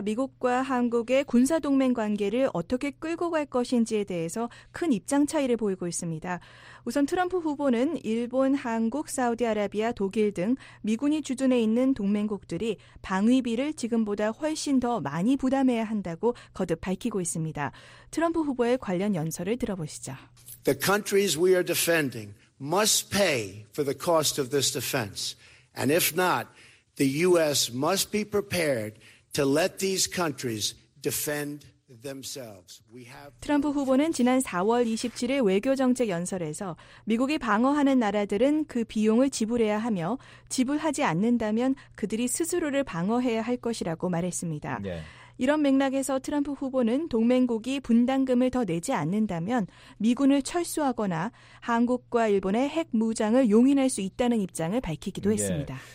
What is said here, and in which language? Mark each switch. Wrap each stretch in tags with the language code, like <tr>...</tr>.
<ko>미국과 한국의 군사동맹 관계를 어떻게 끌고 갈 것인지에 대해서 큰 입장 차이를 보이고 있습니다. 우선 트럼프 후보는 일본, 한국, 사우디아라비아, 독일 등 미군이 주둔해 있는 동맹국들이 방위비를 지금보다 훨씬 더 많이 부담해야 한다고 거듭 밝히고 있습니다. 트럼프 후보의 관련 연설을 들어보시죠.</ko> <en>The countries we are defending must pay for the cost of this defense. And if not, the U.S. must be prepared to let these countries defend themselves. We have...</en> <ko>트럼프 후보는 지난 4월 27일 외교정책 연설에서 미국이 방어하는 나라들은 그 비용을 지불해야 하며 지불하지 않는다면 그들이 스스로를 방어해야 할 것이라고 말했습니다. 네. 이런 맥락에서 트럼프 후보는 동맹국이 분담금을 더 내지 않는다면 미군을 철수하거나 한국과 일본의 핵 무장을 용인할 수 있다는 입장을 밝히기도 예, 했습니다.</ko>